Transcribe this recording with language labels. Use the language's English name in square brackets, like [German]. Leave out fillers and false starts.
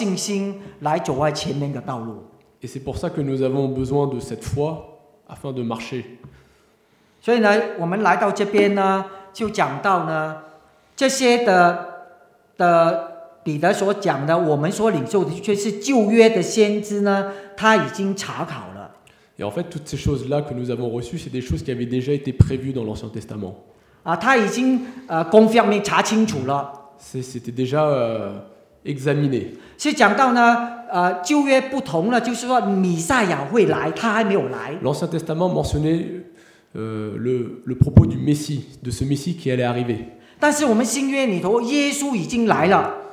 [Chinese] 所以今天我们需要信心来走在前面的道路。 [French] Et c'est pour ça que nous avons besoin de cette foi afin de marcher. [Chinese] 所以呢, 我们来到这边呢, 就讲到呢, 这些的 彼得所讲的，我们所领受的却是旧约的先知呢，他已经查考了。 [French] Et en fait, toutes ces choses-là que nous avons reçues, c'est des choses qui avaient déjà été prévues dans l'Ancien Testament. [Chinese] 啊，他已经 [French] confirmé [Chinese] 查清楚了。 [French] C'était déjà examiné. [Chinese] 是讲到呢， 旧约不同了， 就是说弥赛亚会来，他还没有来。 [French] L'Ancien Testament mentionnait le propos du Messie, de ce Messie qui allait arriver. [Chinese] 但是我们新约里头，耶稣已经来了。